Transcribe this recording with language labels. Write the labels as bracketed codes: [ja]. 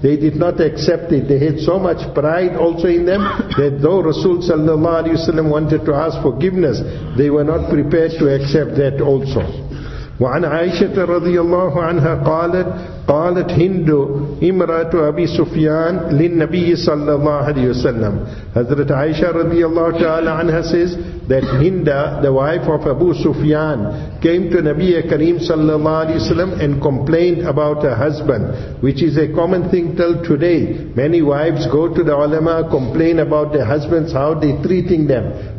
[en] They did not accept it. They had so much pride also in them that though Rasul sallallahu alayhi wa sallam wanted to ask forgiveness, they were not prepared to accept that also. [ar] وعن عائشة رضي الله عنها قالت قالت هند امرأة أبي سفيان للنبي صلى الله عليه وسلم. [en] حضرت عائشة رضي الله تعالى عنها says that Hinda, the wife of Abu Sufyan, came to Nabi Kareem صلى الله عليه وسلم and complained about her husband, which is a common thing till today. Many wives go to the ulama, complain about their husbands, how they treating them.